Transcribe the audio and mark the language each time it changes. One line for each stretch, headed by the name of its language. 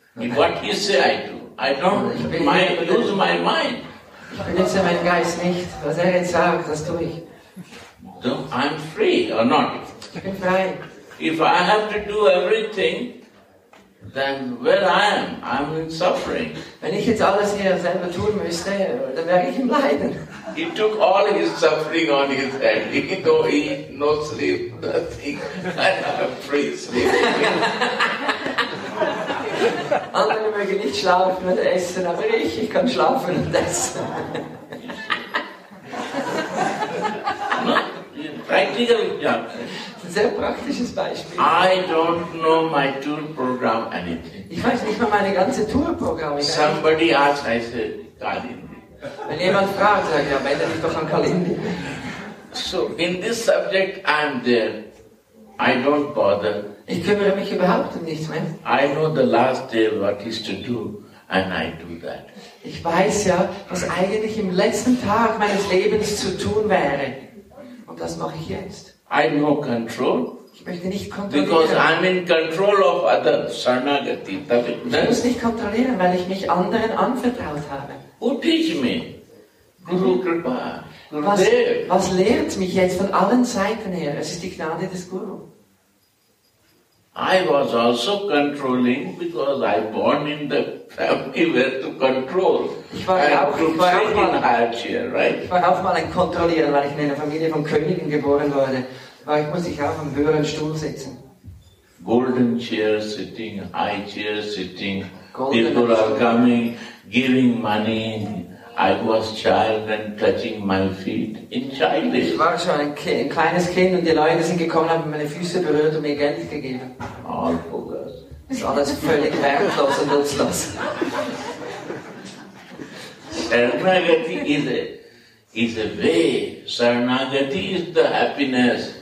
English: What he say, I do. I don't lose my mind.
German: Ich benutze meinen Geist nicht. Was jetzt sagt, das tue ich.
English: So I'm free or not?
German: Ich bin frei.
English: If I have to do everything, then where I am, I'm in suffering.
German: Wenn ich jetzt alles hier selber tun müsste, dann wäre ich im Leiden.
English: He took all his suffering on his head. He didn't eat, no sleep, nothing. I have free sleep.
German: Andere mögen nicht schlafen und essen, aber ich kann schlafen und essen.
English: No, practical job.
German: Sehr praktisches Beispiel.
English: I don't know my tour program anything.
German: Ich weiß nicht mal meine ganze Tourprogramm.
English: Somebody asks, I say, Kalindi.
German: Wenn jemand fragt, sage ich, ja, wende dich doch an Kalindi.
English: So, in this subject, I'm there. I don't bother.
German: Ich kümmere mich überhaupt um nichts mehr.
English: I know the last day what is to do, and I do that.
German: Ich weiß ja, was eigentlich im letzten Tag meines Lebens zu tun wäre. Und das mache ich jetzt.
English: I have no control.
German: Ich möchte nicht kontrollieren.
English: Because I'm in control of others. Sharanagati.
German: Ich muss nicht kontrollieren, weil ich mich anderen anvertraut habe.
English: Who teach me? Guru Kripa.
German: Was lehrt mich jetzt von allen Seiten her? Es ist die Gnade des Guru.
English: I was also controlling because I born in the family where to control.
German: Ich war auch mal ein Kontrollierer, weil ich in einer Familie von Königen geboren wurde. Aber ich muss mich auch am höheren Stuhl sitzen.
English: Golden chair sitting, high chair sitting. Golden people chair. Are coming, giving money. I was child and touching my feet in childish.
German: Ich war schon ein kleines Kind und die Leute sind gekommen, haben meine Füße berührt und mir Geld gegeben.
English: All bogus.
German: Das ist alles völlig wertlos und nutzlos.
English: Sharanagati is a way. Sharanagati is the happiness.